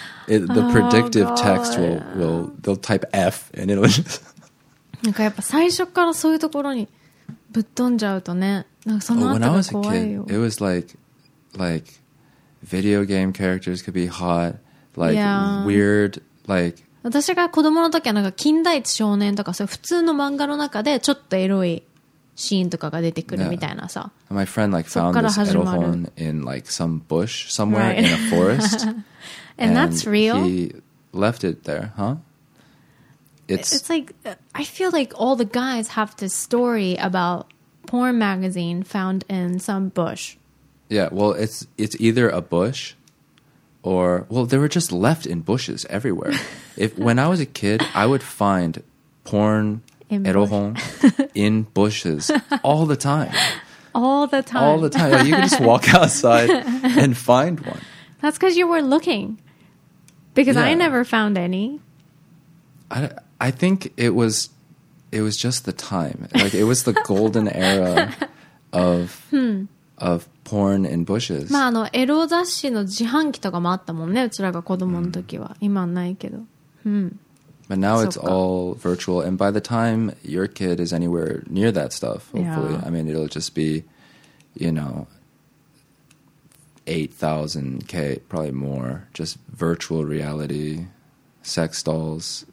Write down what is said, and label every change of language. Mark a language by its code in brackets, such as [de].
[en] The predictive text will they'll type F and it'll just [ja] なんかやっぱ最初からそういうところにぶっ飛んじゃうとね、なんかその後が怖いよ。 [en] When I was a kid, it was like video game characters could be hot, like、yeah. weird, like. [ja] 私が子供の時はなんか金田一少年とかそういう普通の漫画の中でちょっとエロいシーンとかが出てくるみたいなさ。 [en] Yeah. My friend like found this edible phone in like some bush somewhere、right. in a forest. and that's real. He left it there, huh? It's like, I feel like all the guys have this story about porn magazine found in some bush. Yeah, well, it's either a bush or, well, they were just left in bushes everywhere. If, when I was a kid, I would find porn erohon in bushes all the time. All the time. All the time. Yeah, you could just walk outside and find one. That's because you were looking. Because、yeah. I never found any. I think it was just the time. Like, it was the golden era of,、hmm. of porn in bushes. [ja] まあ、あの、エロ雑誌の自販機とかもあったもんね、うちらが子供の時は。今はないけど。 [en] But now it's all virtual. And by the time your kid is anywhere near that stuff, hopefully,、yeah. I mean, it'll just be, you know, 8,000K, probably more, just virtual reality. Sex dolls.